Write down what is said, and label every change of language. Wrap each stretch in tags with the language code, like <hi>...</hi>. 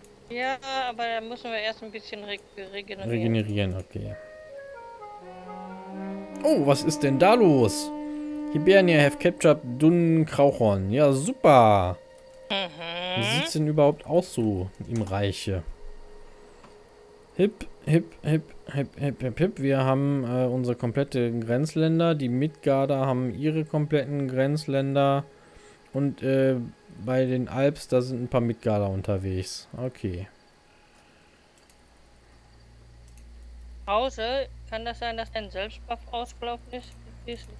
<de>Ja, aber da müssen wir erst ein bisschen regenerieren. Regenerieren, okay. Oh, was ist denn da los?</de> <en>Hibernia have captured Dunn Krauchhorn.</en> <de>Ja, super. Mhm. Wie sieht's denn überhaupt aus so im Reiche? Hip, hip, hip, hip, hip, hip, hip. Wir haben unsere komplette Grenzländer. Die Midgarder haben ihre kompletten Grenzländer. Und bei den Alps, da sind ein paar Midgarder unterwegs. Okay. Pause. Kann das sein, dass dein Selbstbuff ausgelaufen ist?</de>